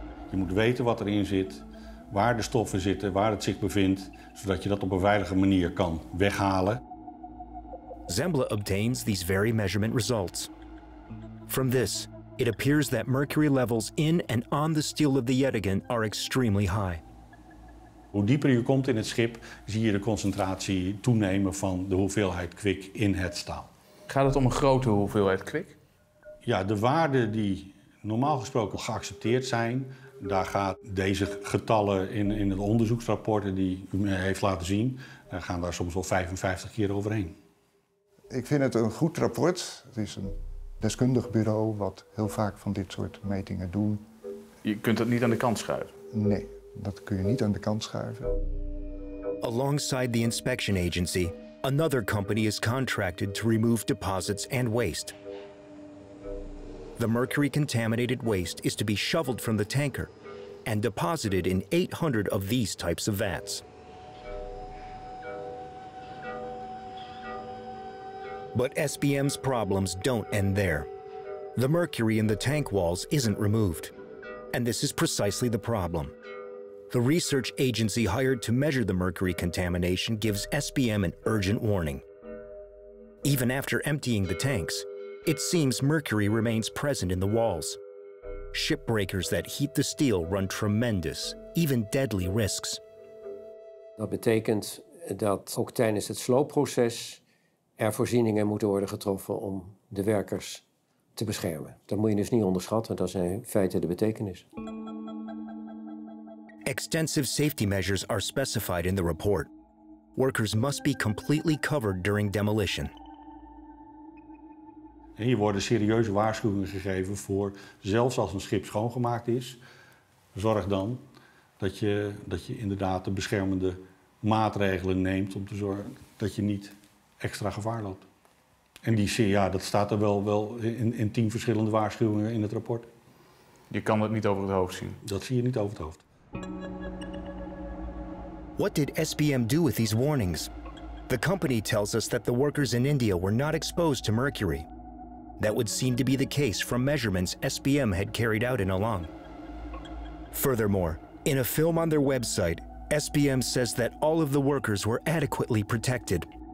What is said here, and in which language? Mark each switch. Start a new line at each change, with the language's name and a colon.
Dutch: Je moet weten wat erin zit, waar de stoffen zitten, waar het zich bevindt, zodat je dat op een veilige manier kan weghalen.
English: Zembla obtains these very measurement results. From this, it appears that mercury levels in and on the steel of the Yettingen are extremely high.
Dutch: Hoe dieper je komt in het schip, zie je de concentratie toenemen van de hoeveelheid kwik in het staal. Gaat het om een grote hoeveelheid kwik? Ja, de waarden die normaal gesproken geaccepteerd zijn, daar gaan deze getallen in het onderzoeksrapport die u me heeft laten zien, gaan daar soms wel 55 keer overheen. Ik vind het een goed rapport. Het is een deskundig bureau wat heel vaak van dit soort metingen doen. Je kunt dat niet aan de kant schuiven? Nee. Dat kun je niet aan de kant schuiven.
English: Alongside the inspection agency, another company is contracted to remove deposits and waste. The mercury contaminated waste is to be shoveled from the tanker and deposited in 800 of these types of vats. But SBM's problems don't end there. The mercury in the tank walls isn't removed. And this is precisely the problem. The research agency hired to measure the mercury contamination gives SBM an urgent warning. Even after emptying the tanks, it seems mercury remains present in the walls. Shipbreakers that heat the steel run tremendous, even deadly risks.
Dutch: Dat betekent dat ook tijdens het sloopproces er voorzieningen moeten worden getroffen om de werkers te beschermen. Dat moet je dus niet onderschatten, dat zijn feiten de betekenis.
English: Extensive safety measures are specified in the report. workers must be completely covered during demolition.
Dutch: En hier worden serieuze waarschuwingen gegeven voor, zelfs als een schip schoongemaakt is, zorg dan dat je inderdaad de beschermende maatregelen neemt om te zorgen dat je niet extra gevaar loopt. En die zin, ja, dat staat er wel in 10 verschillende waarschuwingen in het rapport. Je kan het niet over het hoofd zien. Dat zie je niet over het hoofd.
English: What did SBM do with these warnings? The company tells us that the workers in India were not exposed to mercury. That would seem to be the case from measurements SBM had carried out in Along. Furthermore, in a film on their website, SBM says that all of the workers were adequately protected.